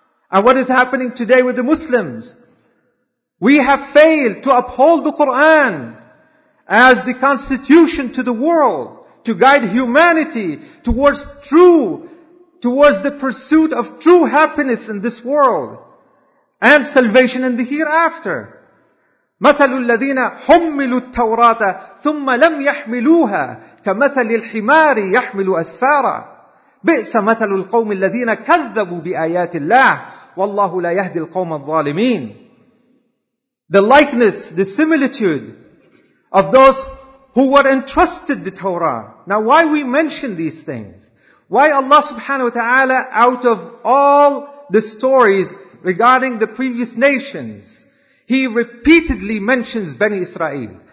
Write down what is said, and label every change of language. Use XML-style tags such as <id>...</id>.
<en>And what is happening today with the Muslims? We have failed to uphold the Quran as the constitution to the world, to guide humanity towards true, towards the pursuit of true happiness in this world. And salvation in the hereafter.</en> <ar>مثل الذين حملوا التوراة ثم لم يحملوها كمثل الحمار يحمل أسفارا بئس مثل القوم الذين كذبوا بآيات الله والله لا يهدي القوم الظالمين.</ar> <en>The likeness, the similitude of those who were entrusted the Torah. Now why we mention these things? Why Allah subhanahu wa ta'ala, out of all the stories regarding the previous nations, He repeatedly mentions Bani Israel.</en>